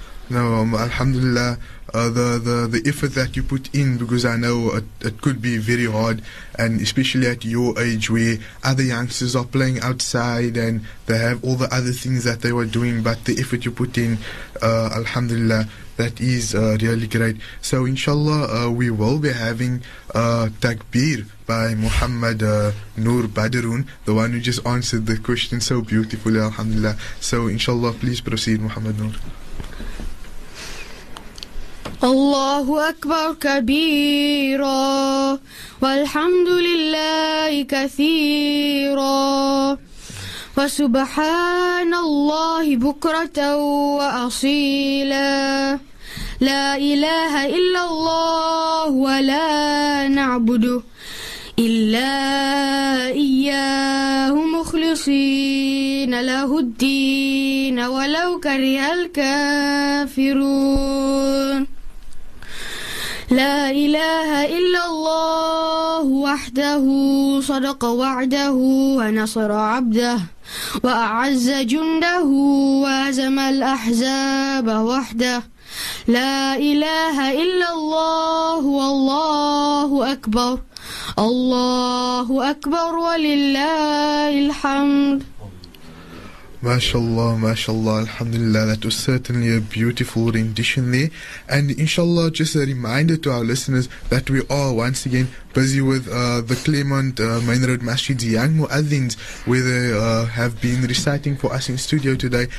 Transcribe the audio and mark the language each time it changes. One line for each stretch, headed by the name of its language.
English: No, alhamdulillah, the effort that you put in, because I know it could be very hard, and especially at your age where other youngsters are playing outside and they have all the other things that they were doing, but the effort you put in, alhamdulillah, that is really great. So inshallah, we will be having takbir by Muhammad Noor Badaroon, the one who just answered the question so beautifully, alhamdulillah. So inshallah, please proceed, Muhammad Noor.
Arabic: الله أكبر كبيرا والحمد لله كثيرا وسبحان الله بكرة وأصيلا لا إله إلا الله ولا نعبد إلا إياه مخلصين له الدين ولو كره الكافرون لا إله إلا الله وحده صدق وعده ونصر عبده وأعز جنده وهزم الأحزاب وحده لا إله إلا الله والله أكبر الله أكبر ولله الحمد
English: MashaAllah, MashaAllah, Alhamdulillah, that was certainly a beautiful rendition there. And inshallah, just a reminder to our listeners that we are once again busy with the Claremont Main Road Masjid's young Mu'adhins, where they have been reciting for us in studio today.